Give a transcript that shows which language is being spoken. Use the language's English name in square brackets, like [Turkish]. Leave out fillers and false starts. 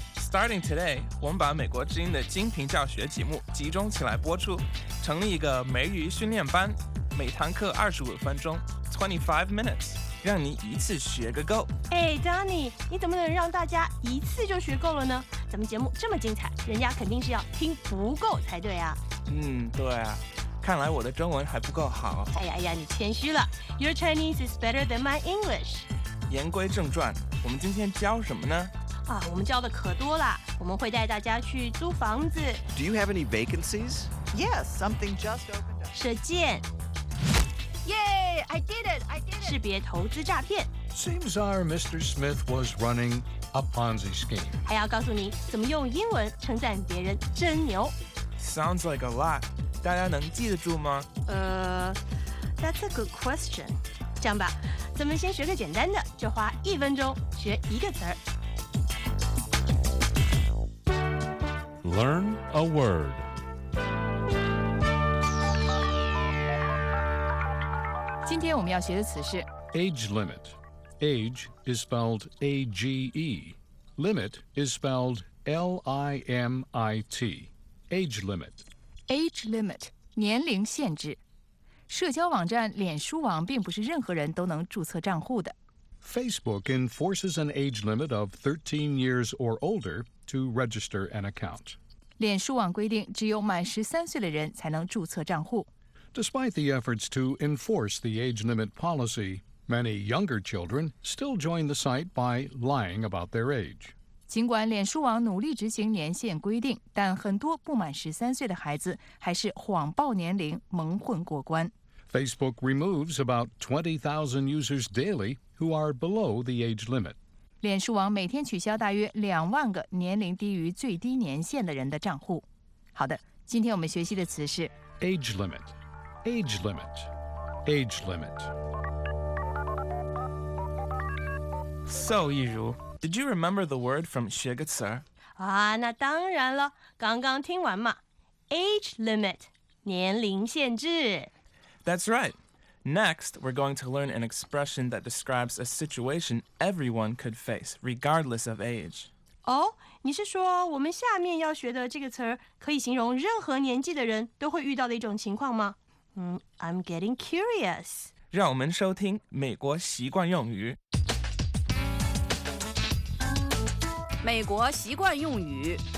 [English] Starting today, [Chinese] 我们把美国之音的精品教学节目集中起来播出，成立一个美语训练班，每堂课25分钟 [English] 25 minutes， [Chinese] 让你一次学个够。哎 ，Donny， 你怎么能让大家一次就学够了呢？咱们节目这么精彩，人家肯定是要听不够才对啊。嗯，对啊，看来我的中文还不够好。哎呀哎呀，你谦虚了。 [English] Your Chinese is better than my English。 [Chinese] 言归正传，我们今天教什么呢？啊，我们教的可多了。我们会带大家去租房子。 [English] Do you have any vacancies? Yes, something just opened up. [Chinese] 射箭。 [English] Yay! I did it! [Chinese] 识别投资诈骗。 [English] Seems our Mr. Smith was running a Ponzi scheme. [Chinese] 还要告诉你怎么用英文称赞别人真牛。 [English] Sounds like a lot. [Chinese] 大家能记得住吗？ [English] That's a good question. [Chinese] 这样吧，咱们先学个简单的，就花一分钟学一个词儿。 [English] Learn a word. [Chinese] 今天我们要学的词是 [English] age limit. Age is spelled A-G-E. Limit is spelled L-I-M-I-T. Age limit. Age limit, [Chinese] 年龄限制。社交网站脸书网并不是任何人都能注册账户的。 [English] Facebook enforces an age limit of 13 years or older to register an account. [Chinese] 脸书网规定只有满13岁的人才能注册账户。 [English] Despite the efforts to enforce the age limit policy, many younger children still join the site by lying about their age. [Chinese] 尽管脸书网努力执行年限规定，但很多不满13岁的孩子还是谎报年龄蒙混过关。 [English] Facebook removes about 20,000 users daily who are below the age limit. [Chinese] 脸书网每天取消大约20,000个年龄低于最低年限的人的账户。好的，今天我们学习的词是 [English] age limit. Age limit, age limit. So, Yiru, did you remember the word from [Chinese] 学个词儿？那当然了，刚刚听完嘛。 [English] Age limit, [Chinese] 年龄限制。 [English] That's right. Next, we're going to learn an expression that describes a situation everyone could face, regardless of age. [Chinese] 你是说我们下面要学的这个词儿可以形容任何年纪的人都会遇到的一种情况吗？ [English] I'm getting curious. [Chinese] 让我们收听美国习惯用语。美国习惯用语。